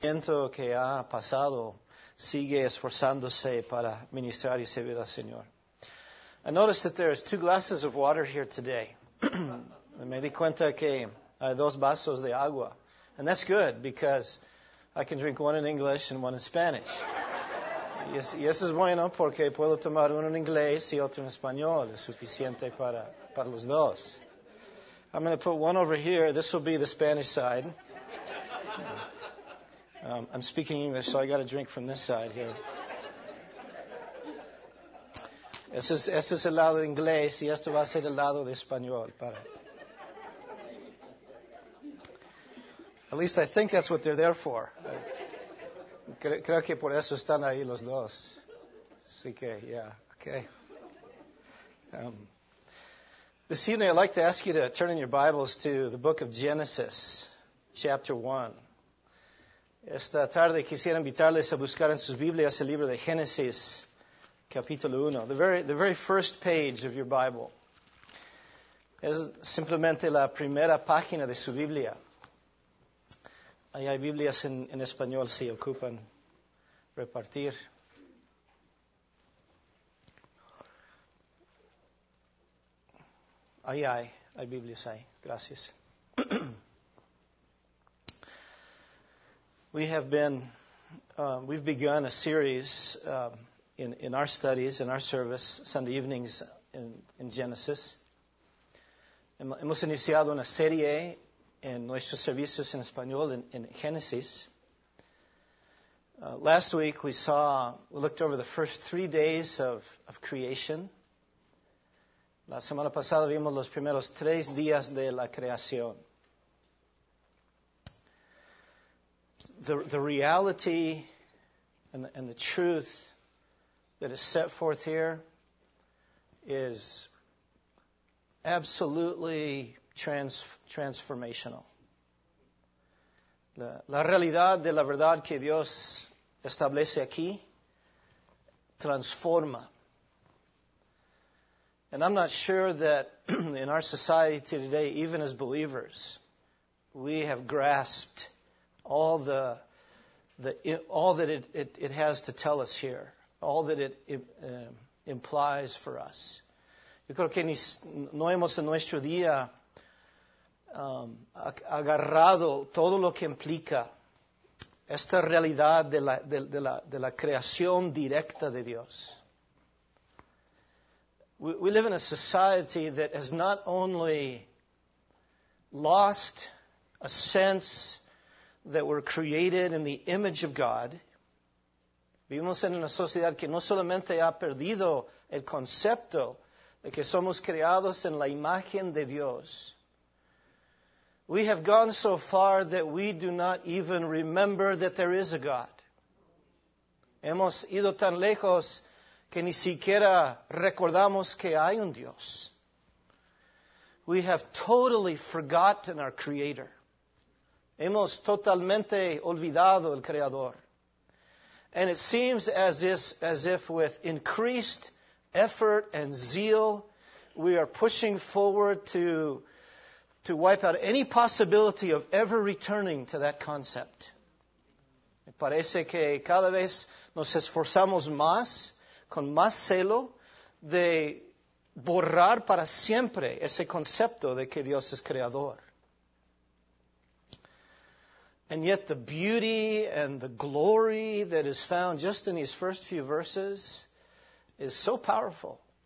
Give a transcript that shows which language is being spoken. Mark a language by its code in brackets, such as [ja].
[es] siento que ha pasado sigue esforzándose para ministrar y servir al Señor. [en] I noticed that there is two glasses of water here today. [es] Me di cuenta que hay dos vasos de agua. [en] And that's good because I can drink one in English and one in Spanish. [es] Y eso es bueno porque puedo tomar uno en inglés y otro en español. Es suficiente para los dos. [en] I'm going to put one over here. This will be the Spanish side. I'm speaking English, so I got to drink from this side here. [es] Ese es el lado de inglés y esto va a ser el lado de español. Para. [en] At least I think that's what they're there for. [es] Creo que por eso están ahí los dos. Así que, yeah, okay. [en] This evening I'd like to ask you to turn in your Bibles to the book of Genesis, chapter 1. [es] Esta tarde quisiera invitarles a buscar en sus Biblias el libro de Génesis, capítulo 1. [en] The very first page of your Bible. [es] Es simplemente la primera página de su Biblia. Ahí hay Biblias en español si ocupan repartir. Hay Biblias ahí. Gracias. [en] We've begun a series in our studies, in our service, Sunday evenings in Genesis. [es] Hemos iniciado una serie en nuestros servicios en español [en] in Genesis. Last week we looked over the first 3 days of creation. [es] La semana pasada vimos los primeros 3 días de la creación. [en] The reality and the truth that is set forth here is absolutely transformational. [es] La realidad de la verdad que Dios establece aquí transforma. [en] And I'm not sure that in our society today, even as believers, we have grasped all that it has to tell us here, all that it implies for us. [es] Yo creo que no hemos en nuestro día agarrado todo lo que implica esta realidad de la creación directa de Dios. [en] We live in a society that has not only lost a sense that were created in the image of God. [es] Vivimos en una sociedad que no solamente ha perdido el concepto de que somos creados en la imagen de Dios. [en] We have gone so far that we do not even remember that there is a God. [es] Hemos ido tan lejos que ni siquiera recordamos que hay un Dios. [en] We have totally forgotten our Creator. [es] Hemos totalmente olvidado el Creador. [en] And it seems as if with increased effort and zeal, we are pushing forward to wipe out any possibility of ever returning to that concept. [es] Me parece que cada vez nos esforzamos más, con más celo, de borrar para siempre ese concepto de que Dios es Creador. [en] And yet the beauty and the glory that is found just in these first few verses is so powerful.